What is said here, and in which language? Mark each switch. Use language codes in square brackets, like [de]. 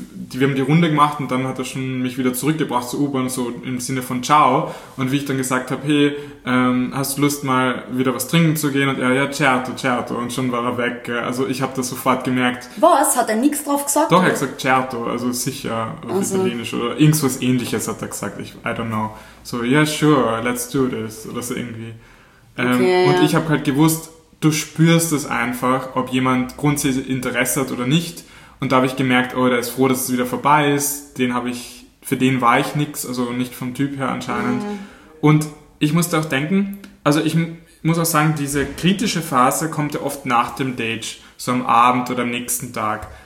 [de] wir haben die Runde gemacht und dann hat er schon mich wieder zurückgebracht zur U-Bahn, so im Sinne von Ciao. Und wie ich dann gesagt habe, hey, hast du Lust mal wieder was trinken zu gehen? Und er, ja, [it] certo, certo. [de] Und schon war er weg. Also ich habe das sofort gemerkt. Was? Hat er nichts drauf gesagt? Doch, er hat gesagt certo, also sicher, auf also. Italienisch oder irgendwas Ähnliches hat er gesagt. [en] I don't know. So, yeah, sure, let's do this. [de] Oder so irgendwie. Okay, und ja. Ich habe halt gewusst, du spürst es einfach, ob jemand grundsätzlich Interesse hat oder nicht. Und da habe ich gemerkt, oh, der ist froh, dass es wieder vorbei ist. Für den war ich nichts, also nicht vom Typ her anscheinend. Mhm. Und ich musste auch denken, also ich muss auch sagen, diese kritische Phase kommt ja oft nach dem Date, so am Abend oder am nächsten Tag.